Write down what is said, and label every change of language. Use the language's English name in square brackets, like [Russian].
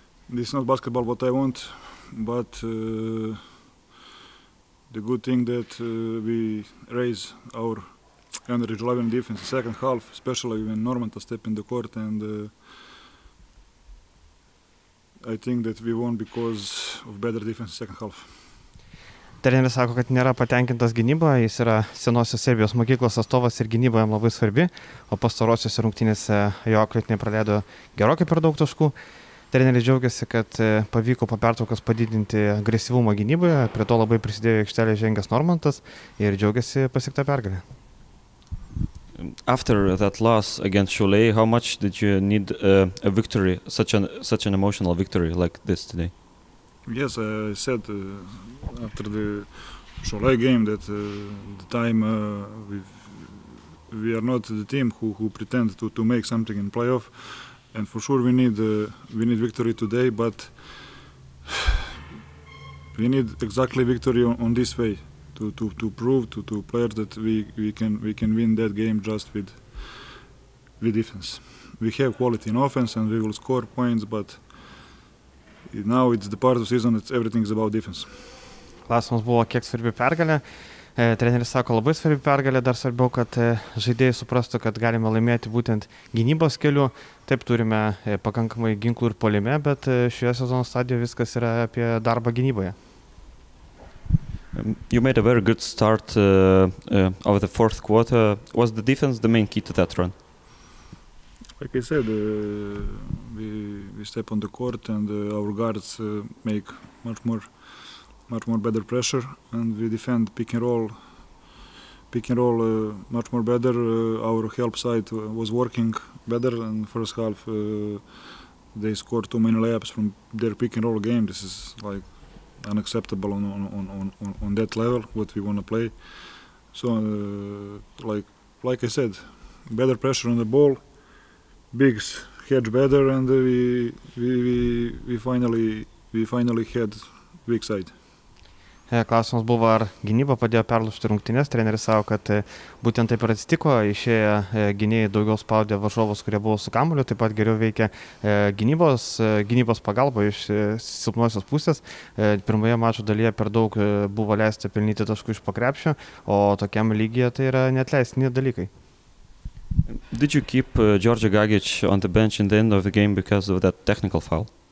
[English] This is not basketball what I want, but the good thing that we raise our energy level in defense the second half, especially when Normanta step in the court, and I think that we won because of better defense second half. [Lithuanian] Treneris sako, kad nėra patenkintas gynyba, jis yra senosios Serbijos mokyklos atstovas ir gynyba jam labai svarbi, o pastarosiuose rungtynėse jo auklėtiniai praleido gerokai per daug taškų. Treneris džiaugiasi, kad pavyko po pertraukos padidinti agresyvumą gynyboje, prie to labai prisidėjo aikštelė žengęs Normantas ir džiaugiasi pasiektą pergalę. [English] After that loss against Šiauliai, how much did you need a victory, such an emotional victory like this today? Yes, I said after the Šiauliai game that the time we are not the team who pretend to make something in playoff, and for sure we need victory today, but we need exactly victory on this way. To prove to players that we can win that game just with defense. We have quality in offense and we will score points, but now it's the part of the season that everything is about defense. [Lithuanian] Klausimas buvo, kiek svarbi pergalė. Treneris sako, labai svarbi pergalė, dar svarbiau, kad žaidėjai suprastų, kad galime laimėti būtent gynybos keliu. Taip, turime pakankamai ginklų ir polime, bet šioje sezono stadijoje viskas yra apie darbą gynyboje. [English] You made a very good start of the fourth quarter. Was the defense the main key to that run? Like I said, we step on the court and our guards make much more better pressure, and we defend pick and roll much more better. Our help side was working better in the first half. They scored too many layups from their pick and roll game. This is like unacceptable on that level what we want to play. So like I said, better pressure on the ball, bigs hedge better, and we finally had weak side. [Lithuanian] Klausimas buvo, ar gynyba padėjo perlaužti rungtynes. Treneris sako, kad būtent taip ir atsitiko. Išėję gynėjai daugiau spaudė varžovus, kurie buvo su kamuoliu, taip pat geriau veikė gynybos pagalba iš silpnosios pusės. Pirmoje mačo dalyje per daug buvo leista pelnyti taškų iš pakrepšio, o tokiam lygyje tai yra neatleistini dalykai. [English] Did you keep Georgia Gagic on the bench in the end of the game because of that technical foul?